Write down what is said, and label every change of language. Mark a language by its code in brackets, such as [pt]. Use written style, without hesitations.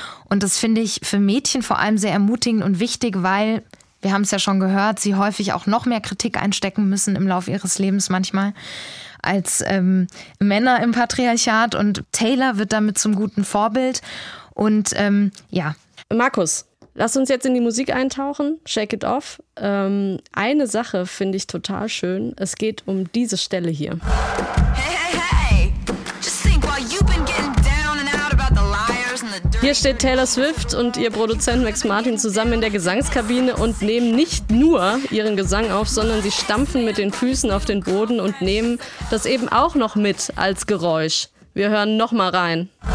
[de] Und das finde ich für Mädchen vor allem sehr ermutigend und wichtig, weil, wir haben es ja schon gehört, sie häufig auch noch mehr Kritik einstecken müssen im Laufe ihres Lebens manchmal als Männer im Patriarchat. Und Taylor wird damit zum guten Vorbild. Und ja. Markus, lass uns jetzt in die Musik eintauchen. Shake It Off. Eine Sache finde ich total schön. Es geht um diese Stelle hier. [en] Hey, hey, hey. Just think while you've been getting down and out about the liars and the dirt. [de] Hier steht Taylor Swift und ihr Produzent Max Martin zusammen in der Gesangskabine und nehmen nicht nur ihren Gesang auf, sondern sie stampfen mit den Füßen auf den Boden und nehmen das eben auch noch mit als Geräusch. Wir hören nochmal rein.